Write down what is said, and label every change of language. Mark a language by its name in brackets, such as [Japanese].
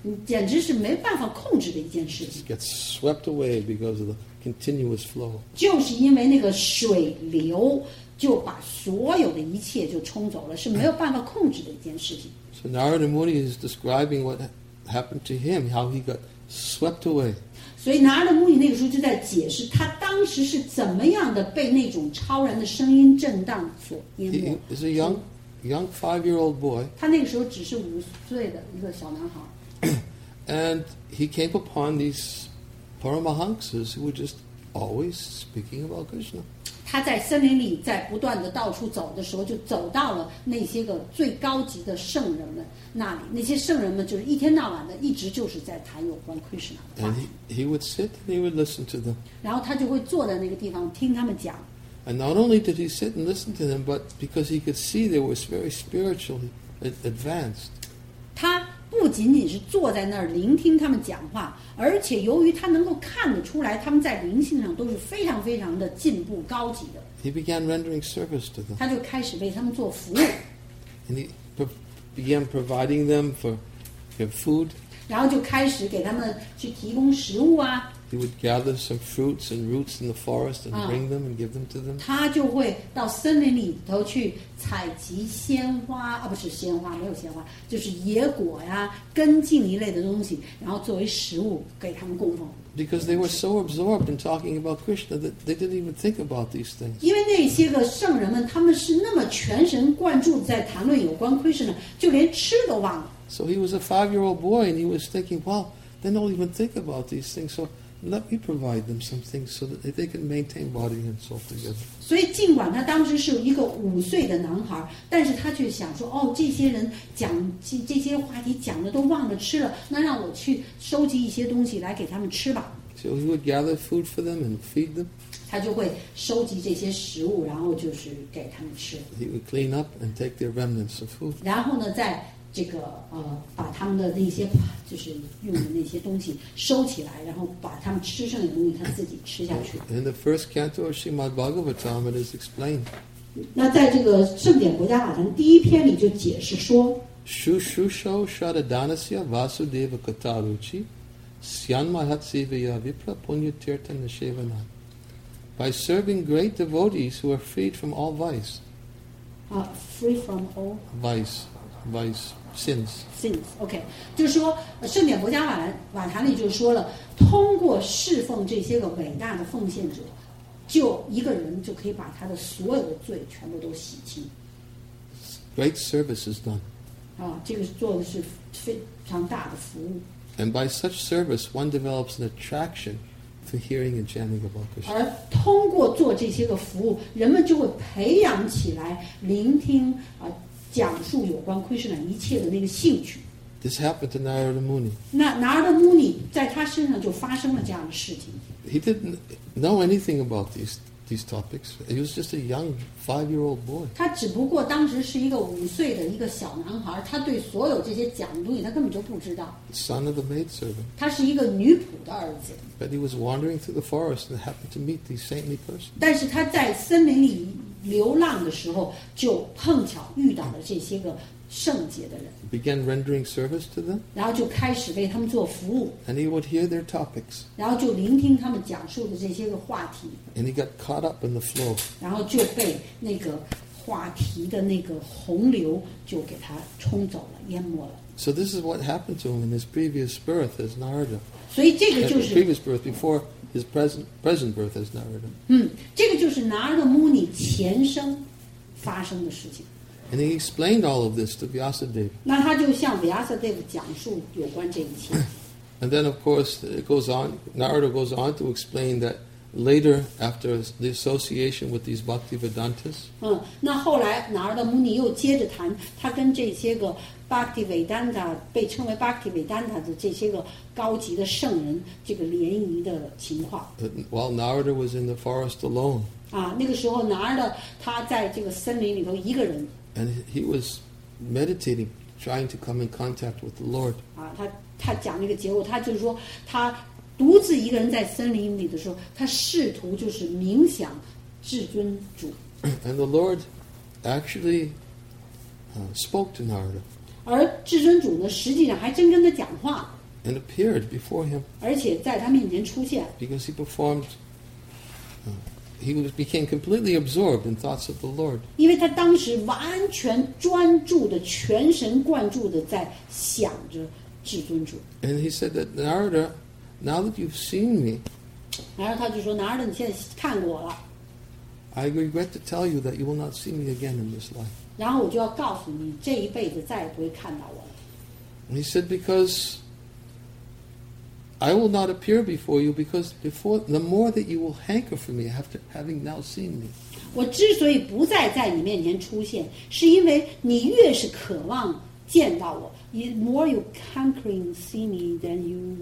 [Chinese] 简直是没办法控制的一件事情。 [English] Gets swept away because of the continuous flow. [Chinese] 就是因为那个水流就把所有的一切就冲走了，是没有办法控制的一件事情。 [English] So Narada Muni is describing what happened to him, how he got swept away. [Chinese] 所以 Narada Muni 那个时候就在解释他当时是怎么样的被那种超然的声音震荡所淹没。 [English] He is a young five-year-old boy. [Chinese] 他那个时候只是五岁的一个小男孩。 [English] And he came upon these Paramahansas who were just always speaking about Krishna. [Chinese] 他在森林里在不断的到处走的时候，就走到了那些个最高级的圣人们那里。那些圣人们就是一天到晚的，一直就是在谈有关 Krishna 的话。 [English] And he would sit and he would listen to them. [Chinese] 然后他就会坐在那个地方听他们讲。 [English] And not only did he sit and listen to them, but because he could see they were very spiritually advanced. [Chinese] 他不仅仅是坐在那儿聆听他们讲话，而且由于他能够看得出来，他们在灵性上都是非常非常的进步高级的。 [English] He began rendering service to them. [Chinese] 他就开始为他们做服务。 [English] And he began providing them for their food. [Chinese] 然后就开始给他们去提供食物啊。 [English] He would gather some fruits and roots in the forest and bring them and give them to them. [Chinese] 他就会到森林里头去采集鲜花啊，不是鲜花，没有鲜花，就是野果呀、根茎一类的东西，然后作为食物给他们供奉。 [English] Because they were so absorbed in talking about Krishna that they didn't even think about these things. [Chinese] 因为那些个圣人们，他们是那么全神贯注在谈论有关 Krishna， 就连吃都忘了。 [English] So he was a five-year-old boy and he was thinking, well, they don't even think about these things, so. Let me provide them some things so that they can maintain body and soul together. [Chinese] 所以尽管他当时是一个五岁的男孩，但是他却想说，哦，这些人讲这些话题讲的都忘了吃了，那让我去收集一些东西来给他们吃吧。 [English] So he would gather food for them and feed them. [Chinese] 他就会收集这些食物，然后就是给他们吃。 [English] He would clean up and take their remnants of food. [Chinese] 然后呢，在这个把他们的那些就是用的那些东西收起来，然后把他们吃剩的东西他自己吃下去。 [English] In the first canto of Srimad Bhagavatam, it is explained. [Chinese] 那在这个圣典国家法坛第一篇里就解释说 [Sanskrit] ，Shushusho Shadadanasya Vasudeva Kataruchi Sianmahatsivaya Vipra Punyatirtha Nishevana. [English] By serving great devotees who are freed from all vice. Free from all vice. Sins. [Chinese] OK， 就是说，圣典国家瓦坛里就说了，通过侍奉这些个伟大的奉献者，就一个人就可以把他的所有的罪全部都洗清。 [English] Great service is done. [Chinese] 啊，这个做的是非常大的服务。 [English] And by such service, one develops an attraction to hearing and chanting about Krishna. [Chinese] 而通过做这些个服务，人们就会培养起来聆听啊。讲述有关 Krishna 一切的那个兴趣。 [English] This happened to Narada Muni. [Chinese] 那 Narada Muni 在他身上就发生了这样的事情。 [English] He didn't know anything about these topics. He was just a young five-year-old boy. [Chinese] 他只不过当时是一个五岁的一个小男孩，他对所有这些讲的东西他根本就不知道。 [English] Son of the maidservant. [Chinese] 他是一个女仆的儿子。 [English] But he was wandering through the forest and happened to meet these saintly persons. [Chinese] 但是他在森林里流浪的时候就碰巧遇到了这些个圣洁的人。 [English] Began rendering service to them. [Chinese] 然后就开始为他们做服务。 [English] And he would hear their topics. [Chinese] 然后就聆听他们讲述的这些个话题。 [English] And he got caught up in the flow. [Chinese] 然后就被那个话题的那个洪流就给他冲走了，淹没了。 [English] So this is what happened to him in his previous birth as Narada. [Chinese] 所以这个就是 [English] previous birth before his present birth as Narada. [Chinese] 嗯，这个就是 Narada Muni 前生发生的事情。 [English] And he explained all of this to Vyasadeva. [Chinese] 那他就向 Vyasadeva 讲述有关这一切。 [English] And then, of course, it goes on. Narada goes on to explain that later, after the association with these Bhakti Vedantas. [Chinese] 嗯，那后来 Narada Muni 又接着谈他跟这些个。 Bhakti Vedanta 被称为 Bhakti Vedanta 的这些个高级的圣人，这个联谊的情况。 [English] While Narada was in the forest alone. [Chinese] 啊，那个时候 Narada 他在这个森林里头一个人。 [English] And he was meditating, trying to come in contact with the Lord. [Chinese] 啊，他讲那个结果，他就是说他独自一个人在森林里的时候，他试图就是冥想至尊主。 [English] And the Lord actually spoke to Narada. [Chinese] 而至尊主呢，实际上还真跟他讲话 [English] ，and appeared before him， [Chinese] 而且在他面前出现 [English] ，because he performed， he became completely absorbed in thoughts of the Lord， [Chinese] 因为他当时完全专注的、全神贯注的在想着至尊主 [English] ，and he said that Narada， now that you've seen me， [Chinese] 然后他就说 ，Narada， 你现在看过我了 [English] ，I regret to tell you that you will not see me again in this life。 [Chinese] 然后我就要告诉你，这一辈子再也不会看到我了。 [English] He said, "Because I will not appear before you, because before the more that you will hanker for me after having now seen me." [Chinese] 我之所以不再在你面前出现，是因为你越是渴望见到我 ， [English] the more you hankering see me than you